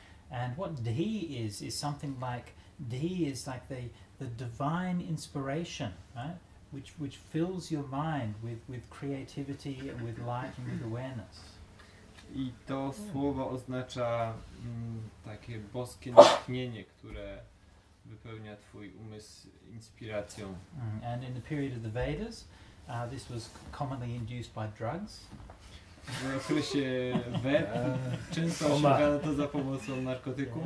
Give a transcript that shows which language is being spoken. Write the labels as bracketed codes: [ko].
[en] And what dhi is something like, dhi is like the divine inspiration, right? Which fills your mind with creativity and with light and with awareness. [pl] I to słowo oznacza takie boskie natchnienie, które wypełnia twój umysł inspiracją. [en] And in the period of the Vedas, this was commonly induced by drugs. [pl] W okresie Ved często osiągano to za pomocą narkotyku.